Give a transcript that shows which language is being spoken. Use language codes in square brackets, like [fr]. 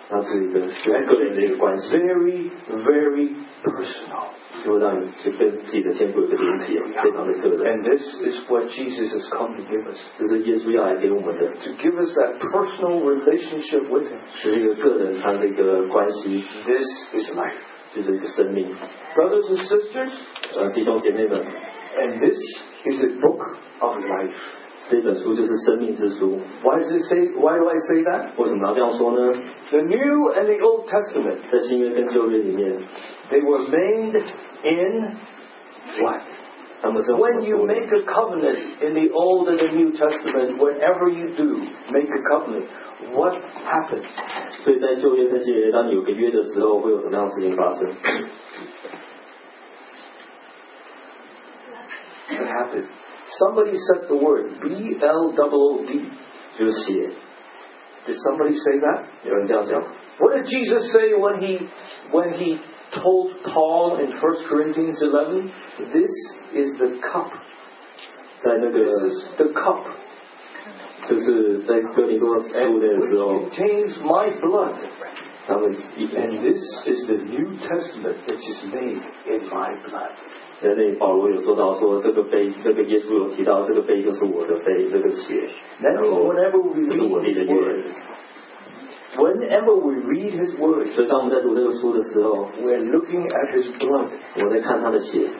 [zh] 那是一个很个人的一个关系。 [en] Very, very personal. [zh] 就让你就跟自己的天父有个连接，非常的特别。 [en] And this is what Jesus has come to give us. [zh] 这是耶稣要来给我们的。 [en] To give us that personal relationship with Him. [zh] 是一个个人他的一个关系。 [en] This is life. [zh] 就是一个生命。 [en] Brothers and sisters. [zh] 弟兄姐妹们。 [en] And this is a book of life. [zh] 这本书就是生命之书。 [en] Why does it say? Why do I say that? [zh] 为什么要这样说呢？ [en] The New and the Old Testament. [zh] 在新约跟旧约里面。 [en] They were made in what? When you make a covenant in the Old and the New Testament, whenever you do make a covenant, what happens? [zh] 所以在旧约那些，当你有个约的时候，会有什么样的事情发生？ [en] What happens? Somebody said the word B L O O D. [zh] 就是血。 [en] Did somebody say that? [zh] 有人这样讲。 [en] What did Jesus say when he told Paul in 1 Corinthians 11, this is the cup. [zh] 在那个 [en] this is the cup. [zh] 就是在哥林多书的时候 [en] which contains my blood. [zh] 他们 [en] and this is the New Testament which is made in my blood. [zh] 在那里保罗有说到说这个杯，这个耶稣有提到这个杯就是我的杯，这个血。 [en] That means whenever we read his word. Whenever we read his word, [zh] 所以当我们在读这个书的时候 [en] we're looking at his blood. [zh] 我在看他的血。